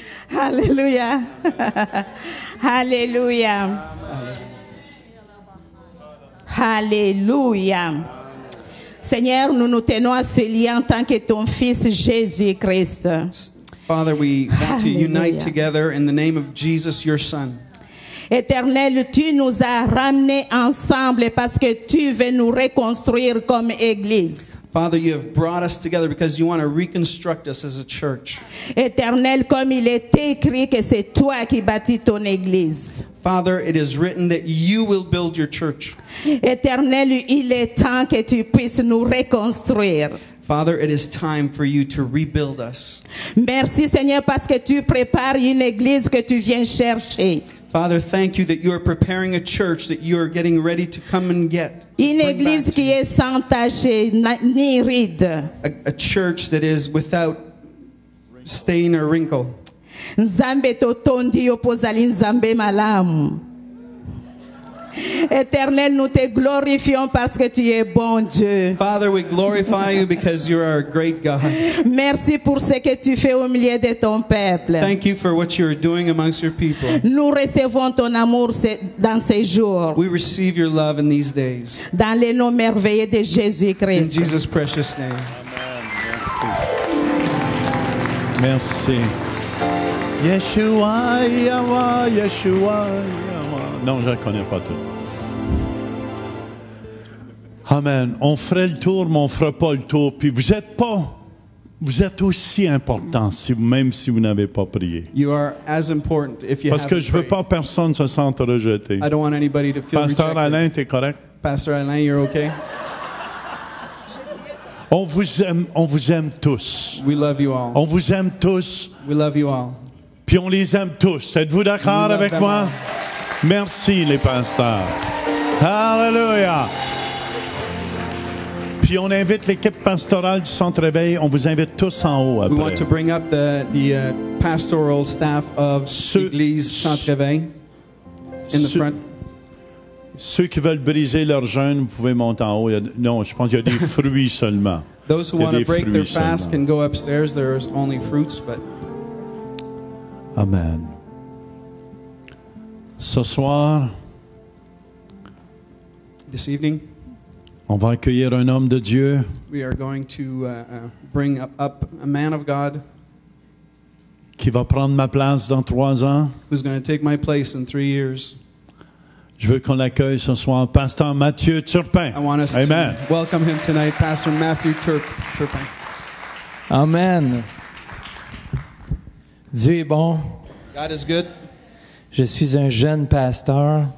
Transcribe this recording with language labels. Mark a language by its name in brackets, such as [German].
[French] Alléluia. Alléluia. Alléluia. Seigneur, nous nous tenons à ce lien en tant que ton fils Jésus-Christ. [English] Father, we want to unite together in the name of Jesus, your son. [French] Éternel, tu nous as ramenés ensemble parce que tu veux nous reconstruire comme église. [English] Father, you have brought us together because you want to reconstruct us as a church. [French] Éternel, comme il est écrit que c'est toi qui bâtis ton église. [English] Father, it is written that you will build your church. [French] Éternel, il est temps que tu puisses nous reconstruire. [English] Father, it is time for you to rebuild us. [French] Merci Seigneur parce que tu prépares une église que tu viens chercher. [English] Father, thank you that you are preparing a church that you are getting ready to come and get. [French] Une église qui est sans tache ni ride. [English] A church that is without stain or wrinkle. [Lingala] Nzambe totondi opozali nzambe malamu. [French] Éternel, nous te glorifions parce que tu es bon Dieu. [English] Father, we glorify you because you are a great God. [French] Merci pour ce que tu fais au milieu de ton peuple. [English] Thank you for what you are doing amongst your people. [French] Nous recevons ton amour dans ces jours. [English] We receive your love in these days. [French] Dans le nom merveilleux de Jésus-Christ. [English] In Jesus' precious name. Amen. Merci. Yeshua, Yahweh, Yeshua. [French] Non, je ne connais pas tout. Amen. On ferait le tour, mais on ne fera pas le tour. Puis vous êtes pas. Vous êtes aussi important, si, même si vous n'avez pas prié. [English] You are as important if you [French] Parce que je ne veux pas que personne se sente rejeté. [English] I don't want anybody to feel [French] Pasteur [English] rejected. [French] Alain, tu es correct? [English] Pasteur Alain, you're okay? [French] On vous aime tous. [English] We love you all. [French] On vous aime tous. [English] We love you all. [French] Puis on les aime tous. Êtes-vous d'accord avec moi? Merci, les pasteurs. Hallelujah. Puis on invite l'équipe pastorale du Centre Réveil. On vous invite tous en haut après. [English] We want to bring up the pastoral staff of l'église Centre Réveil. In the front. [French] Ceux qui veulent briser leur jeûne, vous pouvez monter en haut. Non, je pense qu'il y a des fruits seulement. [English] Those who want to break their fast can go upstairs. There's only fruits, but... Amen. [French] Ce soir, [English] this evening, [French] on va accueillir un homme de Dieu. [English] We are going to bring up a man of God [French] qui va prendre ma place dans 3 ans. [English] Who's going to take my place in 3 years? [French] Je veux qu'on l'accueille ce soir, Pasteur Mathieu Turpin. [English] I want us Amen. To welcome him tonight, Pastor Matthew Turpin. Amen. [French] Dieu est bon. [English] God is good. [French] Je suis un jeune pasteur.